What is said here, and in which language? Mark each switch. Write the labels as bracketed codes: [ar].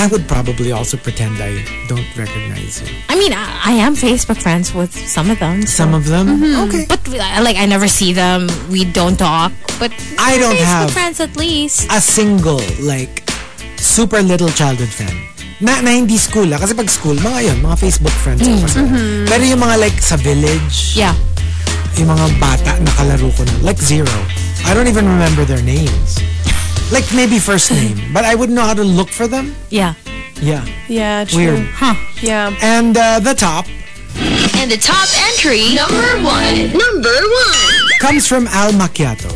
[en] I would probably also pretend I don't recognize you. I mean, I am Facebook friends with some of them. So. Some of them? Mm-hmm. Okay. But, like, I never see them. We don't talk. But I don't Facebook have friends at least. A single, like, super little childhood friend. [tl] Na hindi school, ha? Kasi pag school, mga yun, mga Facebook friends. Mm-hmm. Pero yung mga, like, sa village. [en] Yeah. [tl] Yung mga bata na kalaro ko na. [en] Like, zero. I don't even remember their names. Like, maybe first name. But I wouldn't know how to look for them. Yeah. Yeah. Yeah, true. Weird. Huh. Yeah. And the top. And the top entry. Number one. Comes from Al Macchiato.